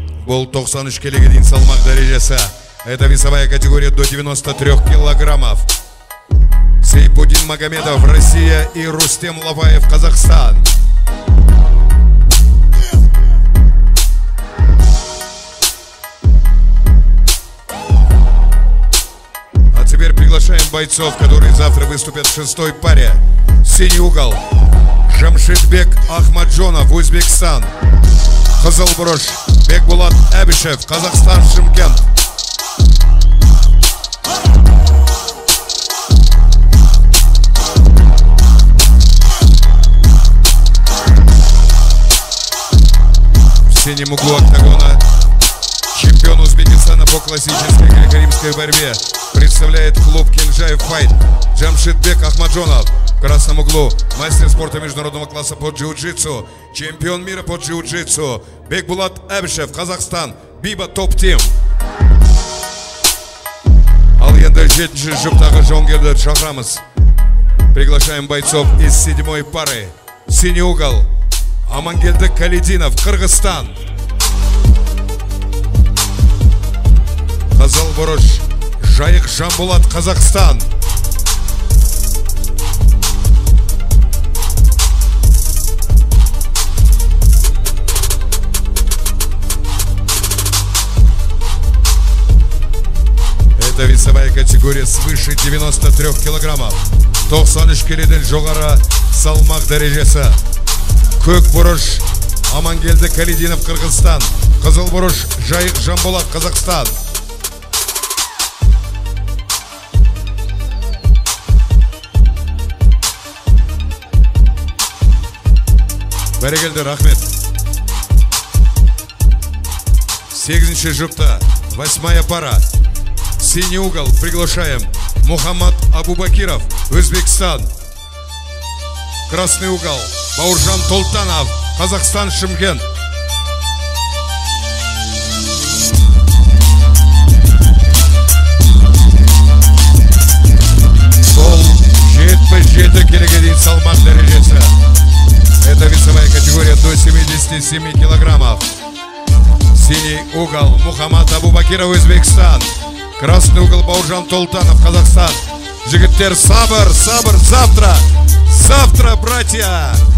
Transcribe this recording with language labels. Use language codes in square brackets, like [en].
[kk] Бұл 93 келіге дейін салмақ дәрежесі. [ru] Это весовая категория до 93 килограммов. Сейбудин Магомедов, Россия, и Рустем Лаваев, Казахстан. А теперь приглашаем бойцов, которые завтра выступят в шестой паре. Синий угол. Жамшидбек Ахмаджонов, Узбекистан. Хазалбурош Бекбулат Абишев, Казахстан, Шымкент. В синем углу октагона чемпион Узбекистана по классической греко-римской борьбе представляет клуб Кинжай Файт Жамшидбек Ахмаджонов. В красном углу мастер спорта международного класса по джиу-джитсу, чемпион мира по джиу-джитсу Бекбулат Абишев, Казахстан, Биба Топ Тим. [kk] Ал енді жетінші жұптағы жонгерді шақырамыз. [ru] Приглашаем бойцов из седьмой пары. Синий угол. Амангелді Калидинов, Кыргызстан. [kk] Қазал Бұрыш Жайық Жамбулат, Казахстан. [ru] Это весовая категория свыше 93 килограммов. [kk] 93 келеден жоғары салмақ дәрежесі. Көк бұрыш Амангелді Калидинов, Кыргызстан. Қызыл бұрыш Жайық Жамбулат, Казахстан. Бәрекелді, рахмет. Сегізінші жұпта, [ru] восьмая пара. Синий угол, приглашаем. Мухаммад Абубакиров, Узбекистан. Красный угол, Бауржан Толтанов, Казахстан, Шымкент. [kk] Сол 77 килограмм салмақ дәрежесі. [ru] Это весовая категория до 77 килограммов. Синий угол, Мухаммад Абубакиров, Узбекистан. Красный угол, Бауржан Толтанов, Казахстан. [kk] Жигиттер, сабыр, сабыр, [ru] завтра, завтра, братья.